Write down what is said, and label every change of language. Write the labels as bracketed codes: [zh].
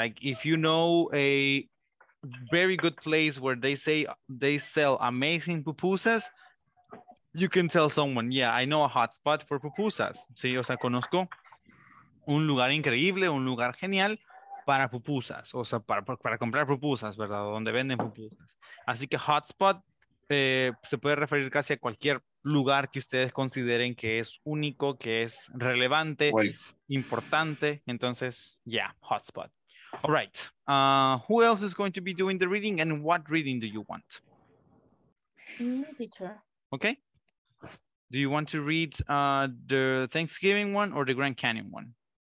[en] Like if you know a very good place where they say they sell amazing pupusas, you can tell someone, yeah, I know a hotspot for pupusas. [es] Sí, o sea, conozco un lugar increíble, un lugar genial para pupusas. O sea, para comprar pupusas, ¿verdad? Donde venden pupusas. Así que hotspot se puede referir casi a cualquier lugar que ustedes consideren que es único, que es relevante, importante. [en] Entonces, yeah, hotspot. All right. Who else is going to be doing the reading and what reading do you want? Me, teacher. Okay. Do you want to read the Thanksgiving one or the Grand Canyon one?